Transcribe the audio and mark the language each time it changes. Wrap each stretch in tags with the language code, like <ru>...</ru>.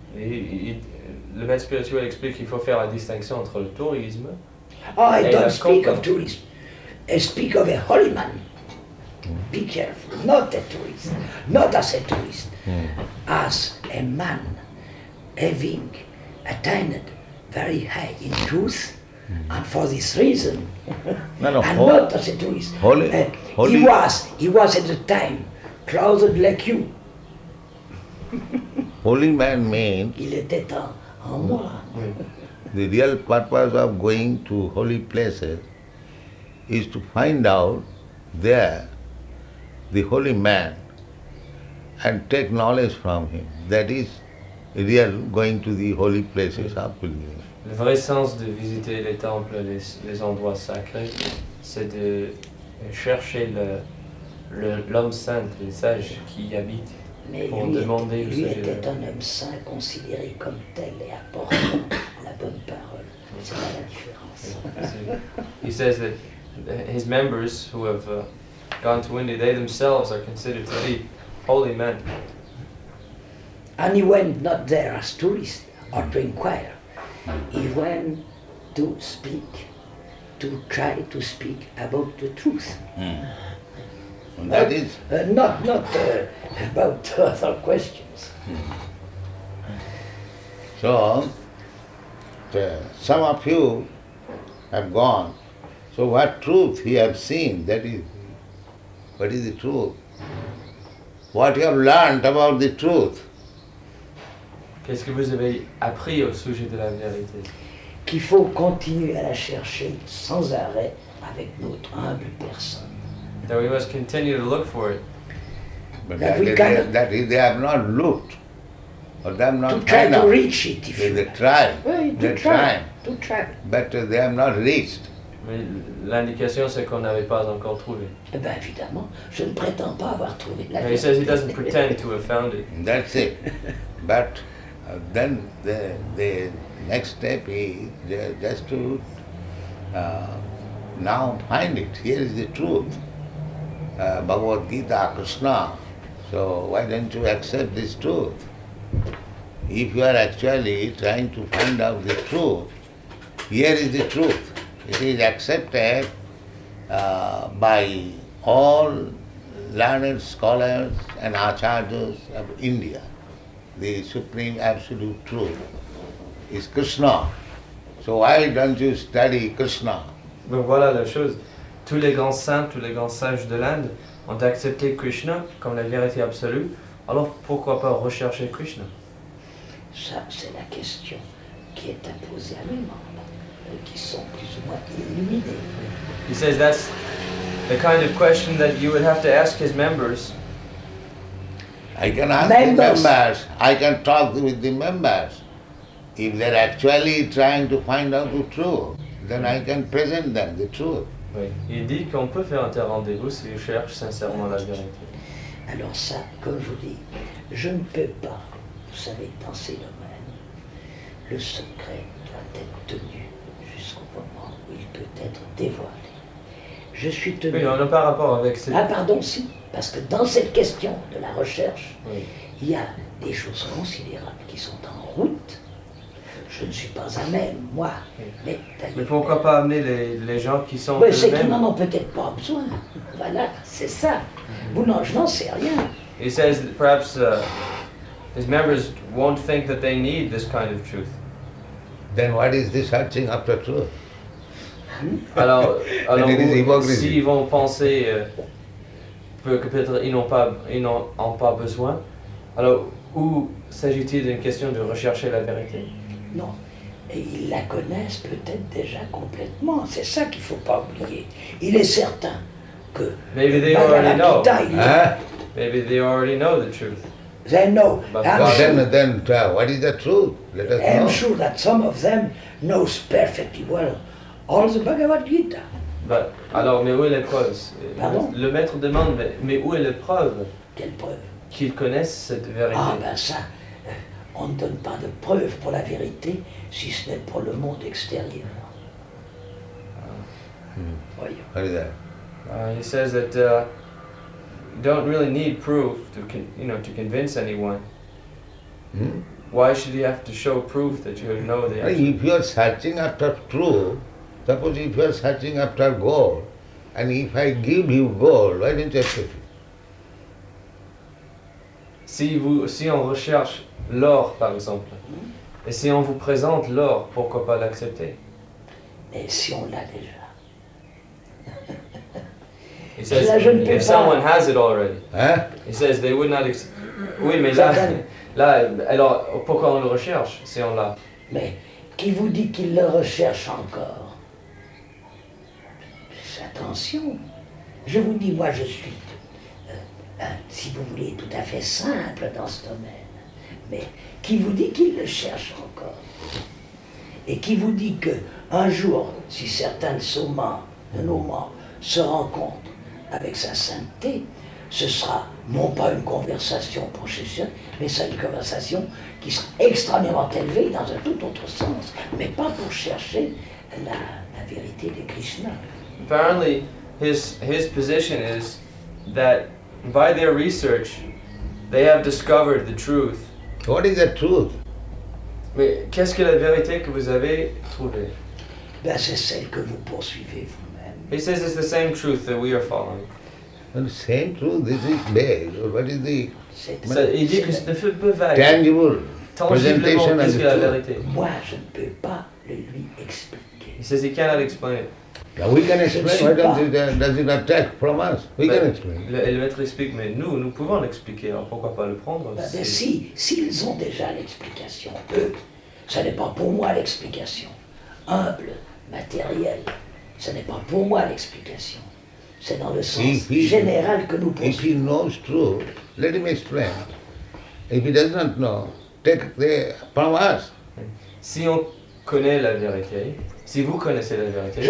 <fr>Le maître spirituel explique qu'il faut faire la distinction entre le tourisme.</fr> <en>Oh, I don't speak of tourism. I speak of a holy man. Be careful, not a tourist, not as a tourist, as a man having attained very high in truth, and for this reason, not as a tourist. Holy, holy. He was at the time clothed like you. Holy man means.</en> <fr>Il était un moi.</fr> <en>The real purpose of going to holy places is to find out there the holy man and take knowledge from him. That is real going to the holy places of pilgrimage.</en> <fr>Le vrai sens de visiter les temples, les endroits sacrés, c'est de chercher l'homme saint, le sage qui y habite. Mais pour demander lui était un homme saint considéré comme tel et apportant la bonne parole. C'est pas la différence.</fr> <en>He says that his members who have gone to India, they themselves are considered to be holy men. And he went not there as tourist or to inquire. He went to speak, to try to speak about the truth. That is not about other questions. So, some of you have gone. So, what truth he have seen? That is, what is the truth? What you have learned about the truth?</en> <fr>Qu'est-ce que vous avez appris au sujet de la vérité? Qu'il faut continuer à la chercher sans arrêt avec notre humble personne.</fr> <en>That we must continue to look for it. But they have not looked. Or they have not to try to reach it. They try. But they have not reached.</en> <fr>Mais l'indication c'est qu'on n'avait pas encore trouvé. Eh bien évidemment, je ne prétends pas avoir trouvé la vérité.</fr> <en>He says he doesn't pretend to have found it. That's it. But then the next step is just to now find it. Here is the truth. Bhagavad Gita, Krishna. So why don't you accept this truth? If you are actually trying to find out the truth, here is the truth. It is accepted by all learned scholars and acharyas of India. The supreme absolute truth is Krishna. So why don't you study Krishna?</en> <fr>Donc voilà la chose. Tous les grands saints, tous les grands sages de l'Inde ont accepté Krishna comme la vérité absolue. Alors pourquoi pas rechercher Krishna? Ça, c'est la question qui est imposée à mes membres, qui sont plus ou moins illuminés.</fr> <en>He says that's the kind of question that you would have to ask his members. I can ask members. The members. I can talk with the members. If they're actually trying to find out the truth, then I can present them the truth.</en> <fr>Oui. Il dit qu'on peut faire un tel rendez-vous s'il cherche sincèrement la vérité. Alors ça, comme je vous dis, je ne peux pas, vous savez, dans ces domaines, le secret doit être tenu jusqu'au moment où il peut être dévoilé. Je suis tenu... Oui, on n'a pas rapport avec ces... Ah pardon, si, parce que dans cette question de la recherche, oui. Il y a des choses considérables qui sont en route. Je ne suis pas à même, moi. Oui. Mais pourquoi pas amener les gens qui sont eux-mêmes? Ceux qui n'en ont peut-être pas besoin. Voilà, c'est ça. Bon, non, je n'en sais rien.</fr> <en>He says that perhaps his members won't think that they need this kind of truth. Then what is this searching after truth?</en> <fr>Alors s'ils vont penser que peut-être ils n'ont pas besoin, alors où s'agit-il d'une question de rechercher la vérité? Non, et ils la connaissent peut-être déjà complètement. C'est ça qu'il faut pas oublier. Il est certain que</fr> <en>maybe they already know. Maybe they already know the truth. They know. But then, what is the truth? Let us know. I'm sure that some of them knows perfectly well all the Bhagavad Gita.</en> <fr>Mais où est la preuve? Pardon? Le maître demande, mais où est la preuve? Quelle preuve? Qu'ils connaissent cette vérité. Ah ben ça. On ne donne pas de preuve pour la vérité si ce n'est pour le monde extérieur. Voyons.</fr> <en>What is that? He says that you don't really need proof to convince anyone. Why should he have to show proof that you know the answer? If you are searching after truth, suppose if you are searching after gold, and if I give you gold, why don't you accept it?</en> <fr>Si on recherche l'or, par exemple, et si on vous présente l'or, pourquoi pas l'accepter? Mais si on l'a déjà.</fr> <en>He says, là, if someone has it already,</en> <fr>hein?</fr> <en>He says they would not accept.</en> <fr>Oui, mais là, là, alors pourquoi on le recherche si on l'a? Mais qui vous dit qu'il le recherche encore? Faites attention. Je vous dis, moi je suis, si vous voulez, tout à fait simple dans ce domaine. Mais qui vous dit qu'il le cherche encore? Et qui vous dit qu'un jour, si certains de nos membres se rencontrent avec sa sainteté, ce sera non pas une conversation processionnelle, mais c'est une conversation qui sera extrêmement élevée dans un tout autre sens, mais pas pour chercher la vérité de Krishna.</fr> <en>Apparently, his position is that by their research, they have discovered the truth. What is the truth?</en> <fr>Mais qu'est-ce que la vérité que vous avez trouvée? Ben, c'est celle que vous poursuivez.</fr> <en>He says it's the same truth that we are following. And the same truth, this is vague. Or what is the... tangible presentation of the truth.</en> <fr>Moi, je ne peux pas le lui expliquer.</fr> <en>He says he cannot explain it. Now we can explain. Why does it attack from us? We can explain.</en> <fr>Le maître explique, mais nous pouvons l'expliquer. Alors pourquoi pas le prendre? Ben, s'ils ont déjà l'explication, eux, ce n'est pas pour moi l'explication. Humble, matériel. Ce n'est pas pour moi l'explication. C'est dans le sens général que nous pensons.</fr> <en>If he knows truth, let him explain. If he does not know, take the powers.</en> <fr>Si on connaît la vérité, si vous connaissez la vérité...</fr>